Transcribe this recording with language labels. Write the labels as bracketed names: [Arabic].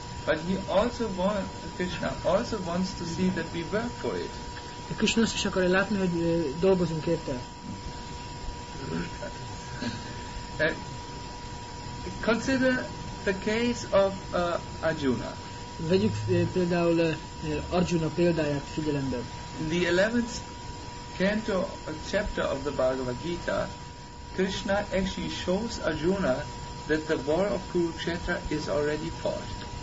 [English] But Krishna also wants to see that we work for it. [Hungarian] A Krishna azt is akarja látni, hogy dolgozunk érte. [English] Consider the case of Arjuna. [Hungarian] Vegyük például Arjuna példáját figyelembe. [English] In the 11th canto, a chapter of the Bhagavad Gita, Krishna actually shows Arjuna that the war of Kurukshetra is already fought.